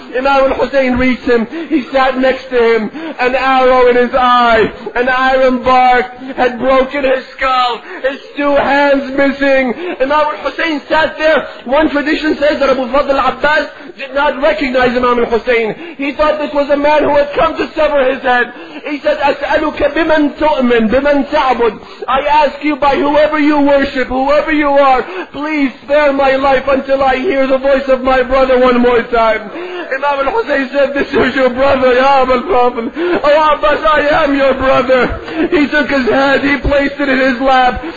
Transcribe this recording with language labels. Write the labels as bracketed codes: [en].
[en] Imam al-Hussein reached him. He sat next to him. An arrow in his eye. An iron bar had broken his skull. His two hands missing. Imam al-Hussein sat there. One tradition says that Abu al-Fadl Abbas did not recognize Imam al-Hussein. He thought this was a man who had come to sever his head. He said, [ar] أَسْأَلُكَ بِمَنْ تُؤْمِنْ بِمَنْ تَعْبُدْ. [en] I ask you by whoever you worship, whoever you are, please spare my life until I hear the voice of my brother one more time. Imam al-Hussein said, this is your brother, Ya Abu al-Fadl. Oh Abbas, I am your brother. He took his head, he placed it in his lap.